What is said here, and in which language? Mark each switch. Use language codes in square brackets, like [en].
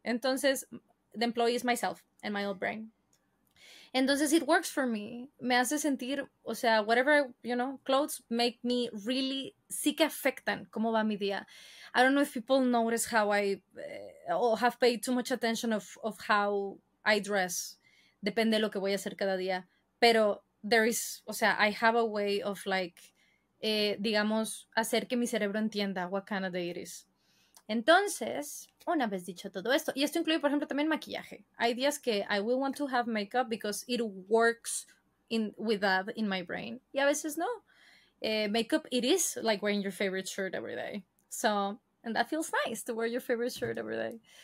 [es] Entonces, [en] the employee is myself and my old brain. Entonces, it works for me. [es] Me hace sentir, o sea, [en] whatever, you know, clothes make me really, [es] sí que afectan cómo va mi día. [en] I don't know if people notice how I, or have paid too much attention of how I dress. [es] Depende de lo que voy a hacer cada día. Pero [en] there is, [es] o sea, [en] I have a way of like, [es] digamos, hacer que mi cerebro entienda [en] what kind of day it is. [es] Entonces, una vez dicho todo esto, y esto incluye, por ejemplo, también maquillaje. Hay días que [en] I will want to have makeup because it works in with that in my brain. [es] Y a veces no. [en] Makeup, it is like wearing your favorite shirt every day. So, and that feels nice to wear your favorite shirt every day.